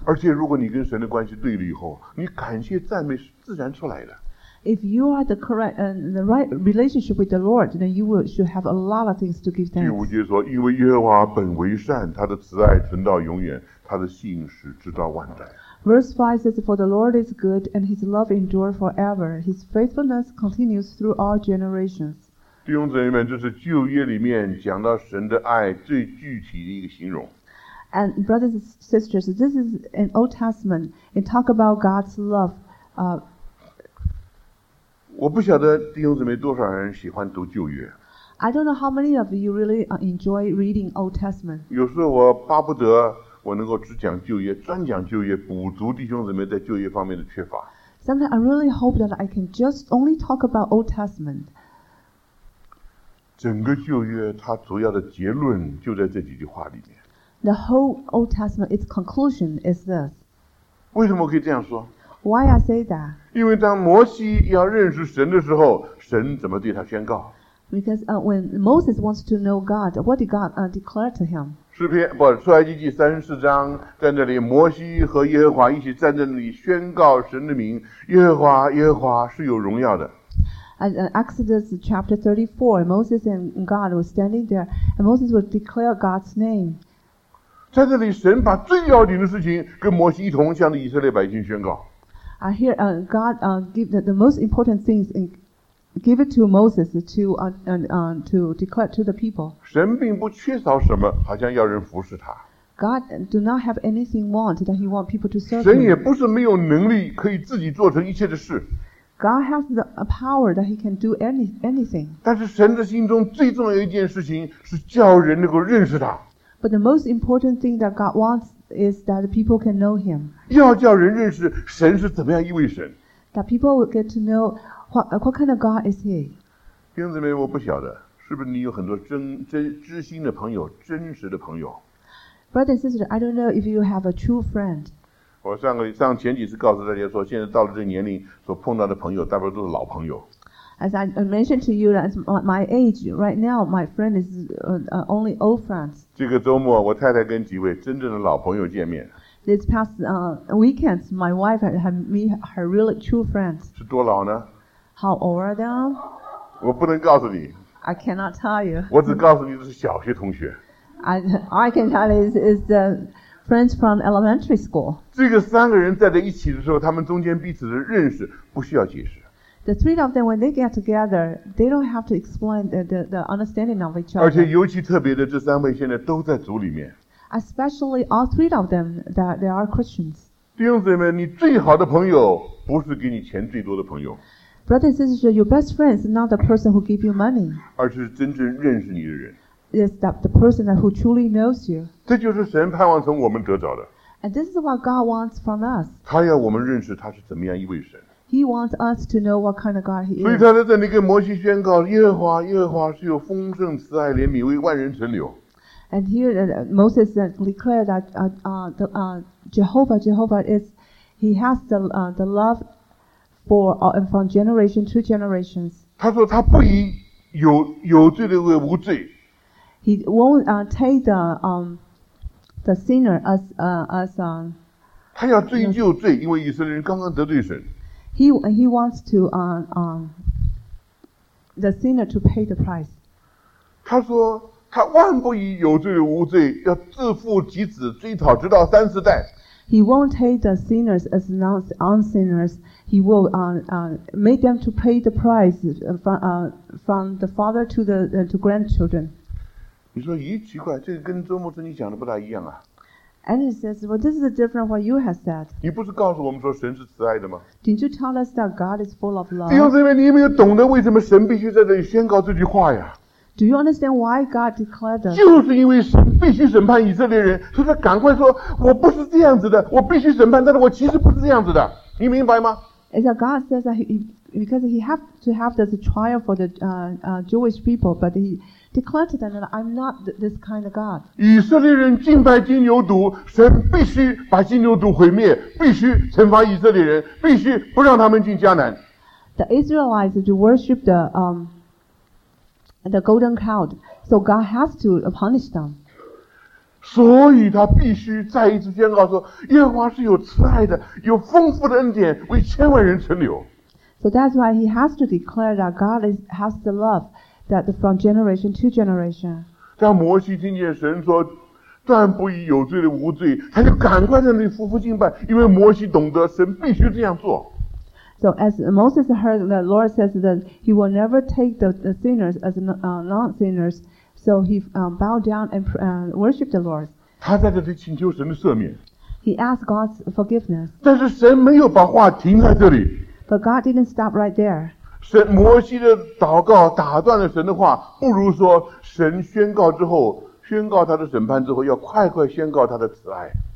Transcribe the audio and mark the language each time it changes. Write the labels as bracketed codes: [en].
[zh] 而且如果你跟神的关系对了以后，你感谢赞美是自然出来的。 [en] If you are the correct and the right relationship with the Lord, then you should have a lot of things to give thanks. [zh] 第五节说，因为耶和华本为善，他的慈爱存到永远，他的信实直到万代。 [en] Verse 5 says, For the Lord is good, and His love endures forever. His faithfulness continues through all generations. [zh] 弟兄姊妹们，这是旧约里面讲到神的爱最具体的一个形容。 [en] And brothers and sisters, this is an Old Testament. It talks about God's love. [zh] 我不晓得弟兄姊妹多少人喜欢读旧约。 [en] I don't know how many of you really enjoy reading Old Testament. [zh] 有时候我巴不得我能够只讲旧约，专讲旧约，补足弟兄姊妹在旧约方面的缺乏。 [en] Sometimes I really hope that I can just only talk about Old Testament. [zh] 整个旧约它主要的结论就在这几句话里面。 [en] The whole Old Testament, its conclusion is this. [zh] 为什么可以这样说？ [en] Why I say that? [zh] 因为当摩西要认识神的时候，神怎么对他宣告？ [en] Because when Moses wants to know God, what did God declare to him? [zh] 诗篇不，出埃及记三十四章，在那里，摩西和耶和华一起站在那里宣告神的名，耶和华，耶和华是有荣耀的。 [en] And Exodus chapter 34, Moses and God were standing there, and Moses would declare God's name. [zh] 在这里神把最要紧的事情跟摩西一同向以色列百姓宣告。 [en] God give the most important things and give it to Moses to declare to the people. [zh] 神并不缺少什么，好像要人服侍他。 [en] God do not have anything want that he want people to serve. [zh] 神也不是没有能力可以自己做成一切的事。 [en] God has the power that he can do anything. [zh] 但是神的心中最重要一件事情是叫人能够认识他。 [en] But the most important thing that God wants is that people can know him. [zh] 要叫人认识神是怎么样一位神。 [en] That people will get to know what kind of God is he. [zh] 弟兄姊妹，我不晓得是不是你有很多知心的朋友，真实的朋友。 [en] Brother and sister, I don't know if you have a true friend. [zh] 我上前几次告诉大家说，现在到了这年龄，所碰到的朋友大部分都是老朋友。 [en] As I mentioned to you, that's my age right now, my friend is only old friends. [zh] 这个周末，我太太跟几位真正的老朋友见面。 [en] This past weekend, my wife had meet her really true friends. [zh] 是多老呢？ [en] How old are they? [zh] 我不能告诉你。 [en] I cannot tell you. [zh] 我只告诉你是小学同学。 [en] I can tell you is the friends from elementary school. [zh] 这个三个人在一起的时候，他们中间彼此的认识不需要解释。 [en] The three of them, when they get together, they don't have to explain the understanding of each other. [zh] 而且尤其特别的，这三位现在都在组里面。 [en] Especially all three of them, that they are Christians. [zh] 弟兄姊妹，你最好的朋友不是给你钱最多的朋友。 [en] Brother and sister, your best friend is not the person who gives you money. [zh] 而是真正认识你的人。 [en] Is that the person who truly knows you? [zh] 这就是神盼望从我们得着的。 [en] And this is what God wants from us. [zh] 他要我们认识他是怎么样一位神。 [en] He wants us to know what kind of God he is. [zh] 所以他在这里跟摩西宣告，耶和华，耶和华是有丰盛慈爱怜悯为万人存留。 [en] And here Moses declared that Jehovah is he has the love for and from generation to generations. [zh] 他说他不以有罪的为无罪。 [en] He won't take the sinner as [zh] 他要罪就罪，因为以色列人刚刚得罪神。 [en] He wants to the sinner to pay the price. [zh] 他说他万不以有罪无罪，要自负己子，追讨直到三四代。 [en] He won't take the sinners as non-sinners. He will make them to pay the price from the father to the grandchildren. [zh] 你说咦，奇怪，这个跟周牧师你讲的不大一样啊。 [en] And he says, well, this is different what you have said. [zh] 你不是告诉我们说神是慈爱的吗？ [en] Didn't you tell us that God is full of love? [zh] 弟兄姊妹，你有没有懂得为什么神必须在这里宣告这句话呀？ [en] Do you understand why God declared that? [zh] 就是因为神必须审判以色列人，所以他赶快说，我不是这样子的，我必须审判，但是我其实不是这样子的，你明白吗？ [en] Is that God says that because he have to have this trial for the Jewish people, but he declared to them that I'm not this kind of God. [zh] 以色列人敬拜金牛犊，神必须把金牛犊毁灭，必须惩罚以色列人，必须不让他们进迦南。 [en] The Israelites to worship the golden cow, so God has to punish them. [zh] 所以他必须再一次宣告说，耶和华是有慈爱的，有丰富的恩典，为千万人存留。 [en] So that's why he has to declare that God has the love that from generation to generation. [zh] 当摩西听见神说断不以有罪的无罪，他就赶快在那里俯伏敬拜，因为摩西懂得神必须这样做。 [en] So as Moses heard the Lord says that he will never take the sinners as non-sinners, so he bowed down and worshiped the Lord. [zh] 他在这里请求神的赦免。 [en] He asked God's forgiveness. [zh] 但是神没有把话停在这里。 [en] But God didn't stop right there. [zh] 神摩西的祷告打断了神的话，不如说神宣告之后，宣告他的审判之后，要快快宣告他的慈爱。